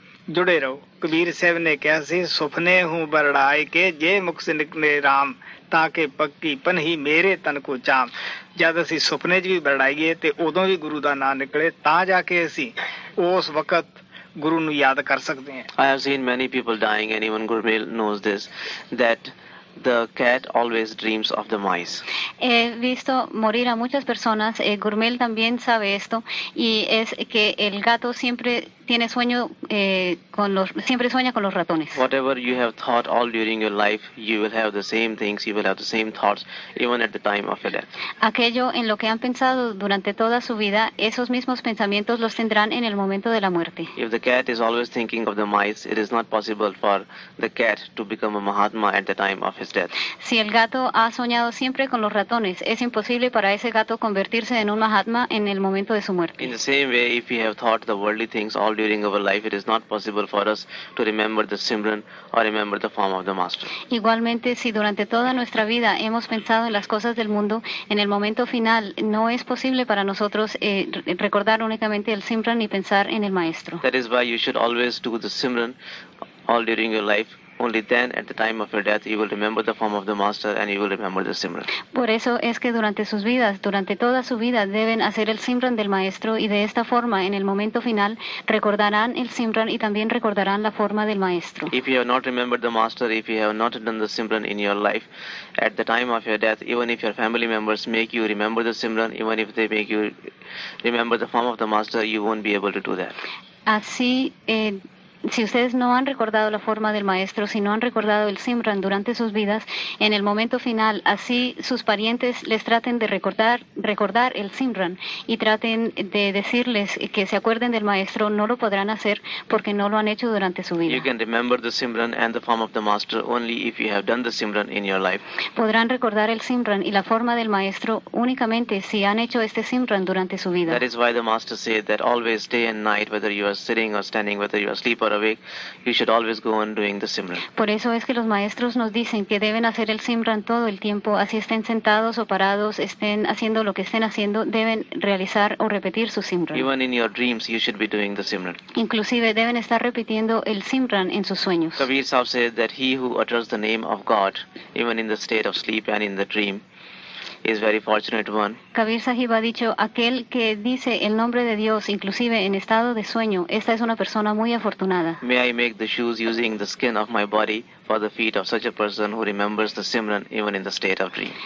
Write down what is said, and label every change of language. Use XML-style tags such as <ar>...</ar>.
<pa>ਜੁੜੇ ਰਹੋ ਕਬੀਰ ਸਾਹਿਬ ਨੇ ਕਿਹਾ ਸੀ ਸੁਪਨੇ ਹੂੰ ਬਰੜਾਏ ਕੇ ਜੇ ਮੁਕਸ ਨਿਕਲੇ ਰਾਮ ਤਾਂ ਕਿ ਪੱਕੀ ਪਨਹੀ ਮੇਰੇ ਤਨ ਕੋ ਚਾਮ ਜਦ ਅਸੀਂ ਸੁਪਨੇ 'ਚ ਵੀ ਬਰੜਾਈਏ ਅਤੇ ਉਦੋਂ ਵੀ ਗੁਰੂ ਦਾ ਨਾਂ ਨਿਕਲੇ ਤਾਂ ਜਾ ਕੇ ਅਸੀਂ ਉਸ ਵਕਤ ਗੁਰੂ ਨੂੰ ਯਾਦ ਕਰ ਸਕਦੇ ਹਾਂ</pa> <en>I have seen many people dying and even Gurmel knows this that The cat always dreams of the mice.</en> <es>He visto morir a muchas personas. Gurmel también sabe esto, y es que el gato siempre tiene sueño con los, siempre sueña con los ratones.</es> <en>Whatever you have thought all during your life, you will have the same things. You will have the same thoughts even at the time of your death.</en> <es>Aquello en lo que han pensado durante toda su vida, esos mismos pensamientos los tendrán en el momento de la muerte.</es> <en>If the cat is always thinking of the mice, it is not possible for the cat to become a mahatma at the time of his death.</en> <es>Si el gato ha soñado siempre con los ratones, es imposible para ese gato convertirse en un mahatma en el momento de su muerte.</es> <en>In the same way, if we have thought the worldly things all during our life, it is not possible for us to remember the simran or remember the form of the master.</en> <es>Igualmente, si durante toda nuestra vida hemos pensado en las cosas del mundo, en el momento final no es posible para nosotros recordar únicamente el simran y pensar en el maestro.</es> <en>That is why you should always do the simran all during your life. Only then, at the time of your death, you will remember the form of the master and you will remember the simran.</en> <es>Por eso es que durante sus vidas, durante toda su vida, deben hacer el simran del maestro y de esta forma, en el momento final, recordarán el simran y también recordarán la forma del maestro.</es> <en>If you have not remembered the master, if you have not done the simran in your life, at the time of your death, even if your family members make you remember the simran, even if they make you remember the form of the master, you won't be able to do that.</en> <es>Así, si ustedes no han recordado la forma del maestro, si no han recordado el simran durante sus vidas, en el momento final, así sus parientes les traten de recordar el simran y traten de decirles que se acuerden del maestro, no lo podrán hacer porque no lo han hecho durante su vida.</es> <en>You can remember the simran and the form of the master only if you have done the simran in your life.</en> <es>Podrán recordar el simran y la forma del maestro únicamente si han hecho este simran durante su vida.</es> <en>That is why the master said that always day and night, whether you are sitting or standing, whether you are sleeping, for a week, you should always go on doing the simran.</en> <es>Por eso es que los maestros nos dicen que deben hacer el simran todo el tiempo, así estén sentados o parados, estén haciendo lo que estén haciendo, deben realizar o repetir su simran.</es> <en>Even in your dreams, you should be doing the simran.</en> <es>Inclusive deben estar repitiendo el simran en sus sueños.</es> <en>Kabir Sahib said that he who utters the name of God, even in the state of sleep and in the dream, is very fortunate one.</en> <es>Kabir Sahib ha dicho, aquel que dice el nombre de Dios, inclusive en estado de sueño, esta es una persona muy afortunada.</es> <en>May I make the shoes using the skin of my body for the feet of such a person who remembers the simran even in the state of dream.</en>